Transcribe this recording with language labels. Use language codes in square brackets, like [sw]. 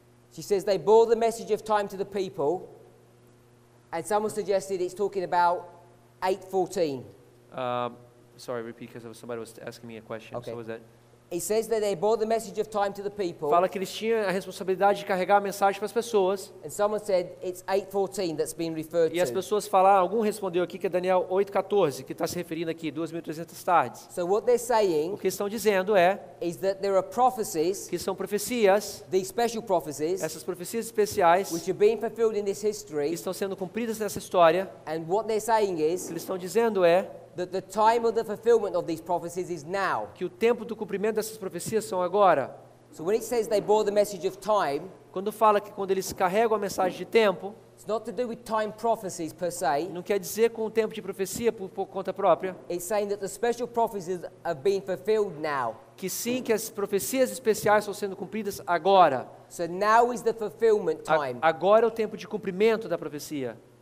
[en] she says they bore the message of time to the people, and someone suggested it's talking about 8:14. Sorry, repeat, because somebody was asking me a question. Okay. So was that? It says that they bore the message of time to the people. [pt] Fala que eles tinham a responsabilidade de carregar a mensagem para as pessoas. [en] And someone said it's 8:14 that's being referred to. [pt] E as pessoas falaram, algum respondeu aqui que é Daniel 8:14 que está se referindo aqui 2300 tardes. [en] So what they're saying, [pt] o que estão dizendo é, [en] is that there are prophecies, [pt] que são profecias, [en] these special prophecies, [pt] essas profecias especiais, [en] which are being fulfilled in this history, [pt] que estão sendo cumpridas nessa história. [en] And what they're saying is, [pt] o que eles estão dizendo é, [en] that the time of the fulfillment of these prophecies is now. [pt] Que o tempo do cumprimento dessas profecias são agora. [en] So when it says they bore the message of time, [pt] quando fala que quando eles carregam a mensagem de tempo, [en] it's not to do with time prophecies per se. [pt] Não quer dizer com o tempo de profecia por conta própria. [en] It's saying that the special prophecies are being fulfilled now. [pt] Que sim, que as profecias especiais estão sendo cumpridas agora. [en] So now is the fulfillment time. [pt] Agora é o tempo de cumprimento da profecia.